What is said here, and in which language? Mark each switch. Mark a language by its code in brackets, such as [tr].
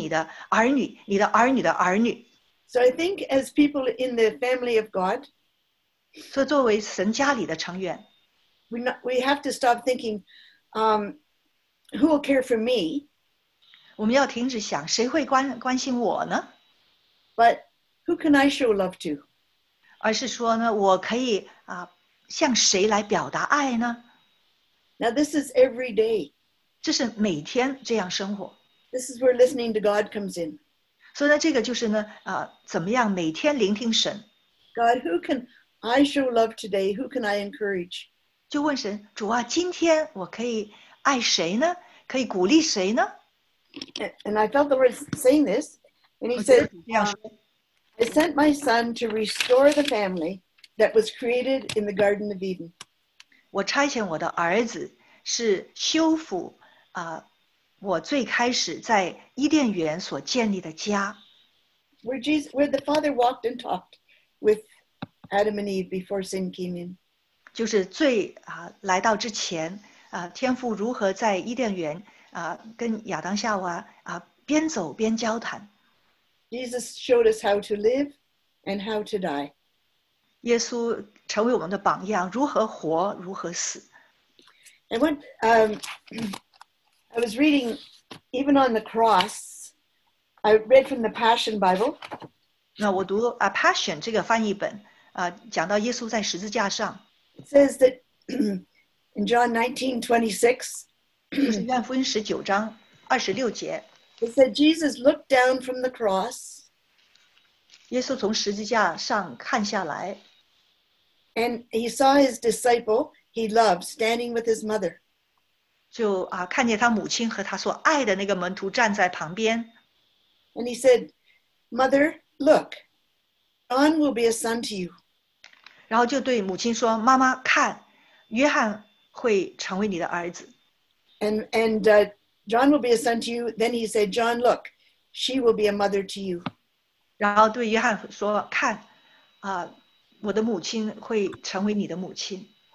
[zh] 就是你现在怎么样来生活,你的生命的方向是跟关乎你的儿女,你的儿女的儿女。 [en] So I think as people in the family of God, [zh] 所以作为神家里的成员, [en] we have to stop thinking, who will care for me? [zh] 我们要停止想,谁会关心我呢? [en] But who can I show love to? [zh] 而是说呢,我可以向谁来表达爱呢? [en] Now this is every day. [zh] 这是每天这样生活。 [en] This is where listening to God comes in. [zh] 所以呢,这个就是呢,怎么样每天聆听神。 [en] God, who can I show love today? Who can I encourage? [zh] 就问神,主啊,今天我可以爱谁呢?可以鼓励谁呢? [en] And I felt the Lord saying this, and he said, I sent my son to restore the family that was created in the Garden of Eden. [zh] 我差遣我的儿子是修复, 我最开始在伊甸园所建立的家。 [en] Where the Father walked and talked with Adam and Eve before sin came in. [zh] 就是最, 来到之前, 天父如何在伊甸园, 跟亚当夏娃, 边走边交谈。 [en] Jesus showed us how to live and how to die. [zh] 耶稣成为我们的榜样, 如何活, 如何死。 [en] And when I was reading, even on the cross, I read from the Passion Bible. [zh] 那我读, Passion 这个翻译本, 讲到耶稣在十字架上。 [en] It says that in John 19:26, [zh] 就是愿福音19章26节, [en] it said Jesus looked down from the cross. [zh] 耶稣从十字架上看下来, [en] and he saw his disciple he loved standing with his mother. [zh] 就, 看见他母亲和他所爱的那个门徒站在旁边。 [en] And he said, Mother, look, John will be a son to you. [zh] 然后就对母亲说, 妈妈看, 约翰会成为你的儿子。 [en] And John will be a son to you. Then he said, John, look, she will be a mother to you. [zh] 然后对约翰说, 看, 我的母亲会成为你的母亲,